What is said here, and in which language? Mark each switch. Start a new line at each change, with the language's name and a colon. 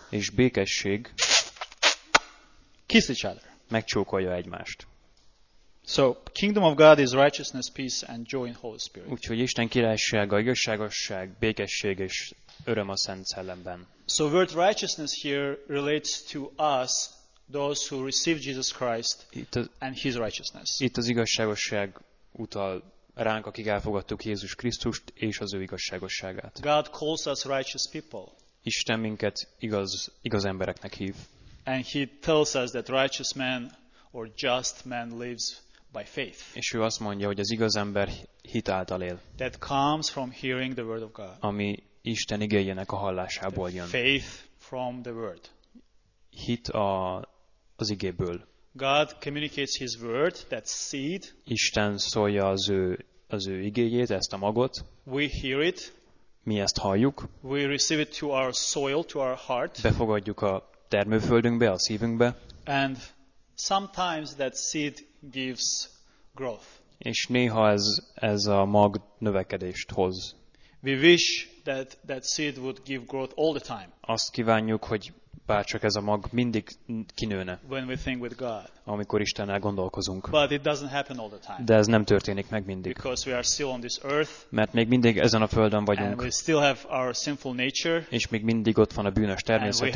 Hungarian: És békesség.
English: Kiss each other.
Hungarian: Megcsókolja egymást.
English: So, kingdom of God is righteousness, peace and joy in Holy Spirit.
Hungarian: Úgyhogy Isten királysága, igazságosság, békesség és öröm a Szent Szellemben.
English: So, word righteousness here relates to us. Those who receive Jesus Christ and His righteousness.
Hungarian: Itt az igazságosság utal ránk, akik elfogadtuk Jézus Krisztust és az ő igazságosságát.
English: God calls us righteous people.
Hungarian: Isten minket igaz embereknek hív.
English: And He tells us that righteous man or just man lives by faith.
Hungarian: És ő azt mondja, hogy az igaz ember hit által él.
English: That comes from hearing the word of God.
Hungarian: Ami Isten igéjének a hallásából jön.
English: Faith from the word.
Hungarian: Hit az igéből.
English: God communicates His word, that seed.
Hungarian: Isten szólja az ő igéjét, ezt a magot.
English: We hear it.
Hungarian: Mi ezt halljuk.
English: We receive it to our soil, to our heart.
Hungarian: Befogadjuk a termőföldünkbe, a szívünkbe.
English: And sometimes that seed gives growth.
Hungarian: És néha ez a mag növekedést hoz.
English: We wish that seed would give growth all the time.
Hungarian: Azt kívánjuk, hogy bárcsak ez a mag mindig kinőne.
English: When we think with God.
Hungarian: Amikor Istennel gondolkozunk.
English: But it doesn't happen all the time.
Hungarian: De ez nem történik meg mindig.
English: Because we are still on this earth.
Hungarian: Mert még mindig ezen a földön vagyunk.
English: And we still have our sinful nature.
Hungarian: És még mindig ott van a bűnös természetünk.